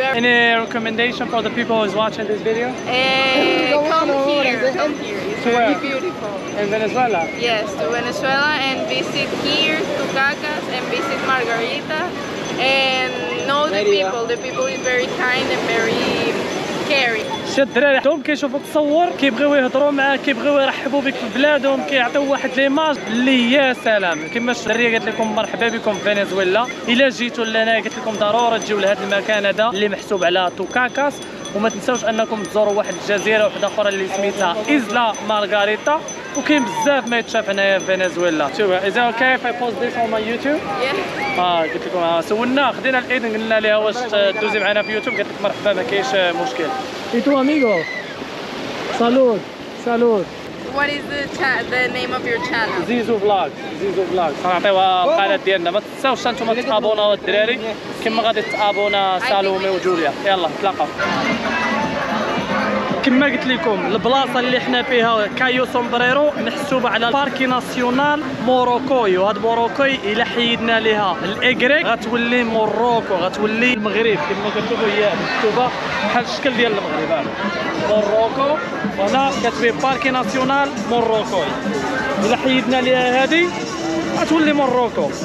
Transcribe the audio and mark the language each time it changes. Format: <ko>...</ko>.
<en>Any recommendation for the people who is watching this video? Come here. It's really beautiful. In Venezuela? Yes, to Venezuela and visit here, to Cacas, and visit Margarita. And know the people. The people is very kind and very caring.</en> <ar>شاد الدراري حتى هما كيشوفوك تصور كيبغيو يهضروا معاك كيبغيو يرحبوا بك في بلادهم كيعطيو واحد ليماج اللي يا سلام. كما الدراري قالت لكم مرحبا بكم في فنزويلا الا جيتوا لهنا قالت لكم ضروره تجيو لهذا المكان هذا اللي محسوب على توكاكاس وما تنساوش انكم تزوروا واحد الجزيره واحده اخرى اللي سميتها ايزلا مارغاريتا وكاين بزاف ما يتشاف هنايا في فنزويلا.</ar> <en>شوف is okay if I post this on my YouTube?</en> <ar>اه قلت لكم سولنا خدينا الاذن قلنا لها واش تدوزي معنا في يوتيوب قالت لك مرحبا ما كاينش مشكل.</ar> <es>اي تو اميغو سالود سالود</es> <en>What is the name of your channel? Zizou Vlog. Zizou Vlog.</en> <ar>غنعطيوها القناة ديالنا ما تنساوش انتم تابوناو الدراري كما غادي تابونا سالومي وجوليا. يلا نتلاقاو كما قلت لكم البلاصه اللي حنا فيها كايو سومبريرو محسوبه على باركي ناسيونال موروكوي وهاد موروكوي الا حيدنا ليها الاكريك غتولي موروكو غتولي المغرب كما كتشوفوا هي محسوبه بحال الشكل ديال المغرب موروكو وهنا كتبي باركي ناسيونال موروكوي الا حيدنا ليها هادي غتولي موروكو.</ar>